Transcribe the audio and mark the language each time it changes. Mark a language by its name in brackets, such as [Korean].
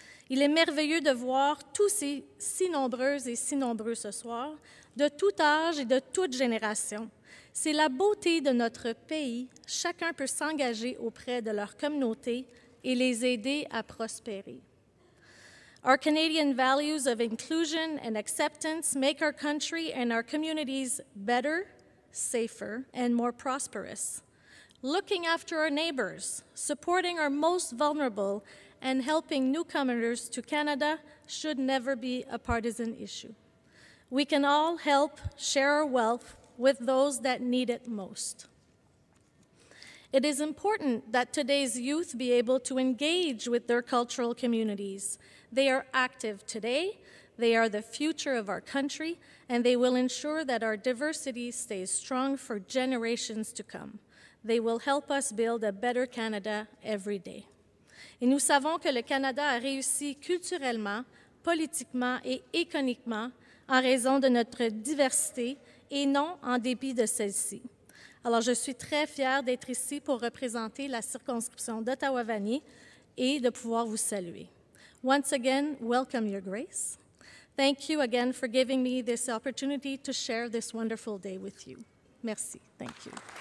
[French] Il est merveilleux de voir tous ces si nombreuses et si nombreux ce soir, de tout âge et de toute génération. C'est la beauté de notre pays. Chacun peut s'engager auprès de leur communauté et les aider à prospérer. [English] Our Canadian values of inclusion and acceptance make our country and our communities better, safer, and more prosperous. Looking after our neighbors, supporting our most vulnerable, and helping newcomers to Canada should never be a partisan issue. We can all help share our wealth with those that need it most. It is important that today's youth be able to engage with their cultural communities. They are active today, they are the future of our country, and they will ensure that our diversity stays strong for generations to come. They will help us build a better Canada every day. [French] Et nous savons que le Canada a réussi culturellement, politiquement et économiquement en raison de notre diversité et non en dépit de celle-ci. Alors, je suis très fière d'être ici pour représenter la circonscription d'Ottawa-Vanier et de pouvoir vous saluer. [English] Once again, welcome, Your Grace. Thank you again for giving me this opportunity to share this wonderful day with you. [French] Merci. [English] Thank you.